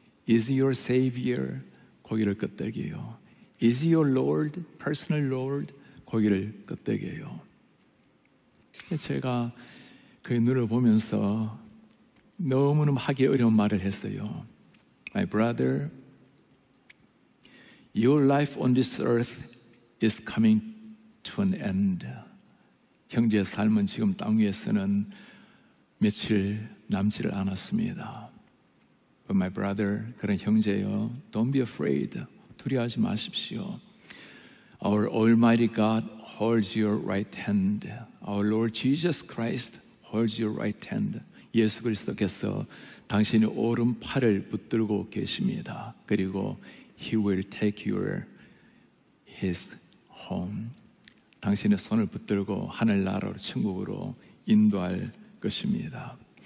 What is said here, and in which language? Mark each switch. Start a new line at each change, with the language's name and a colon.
English: Is your Savior?
Korean: 고개를 끄덕이요.
English: Is your Lord, personal Lord?
Korean: 고개를 끄덕이요. 제가 그 눈을 보면서 너무너무 하기 어려운 말을 했어요.
English: My brother, your life on this earth is coming to an end.
Korean: 형제의 삶은 지금 땅 위에서는 며칠 남지를 않았습니다.
English: But my brother,
Korean: 그런 형제여,
English: don't be afraid.
Korean: 두려워하지 마십시오.
English: Our Almighty God holds your right hand. Our Lord Jesus Christ holds your right hand.
Korean: 예수 그리스도께서 당신의 오른팔을 붙들고 계십니다. 그리고
English: He will take your His home.
Korean: 당신의 손을 붙들고 하늘나라로 천국으로 인도할 것입니다.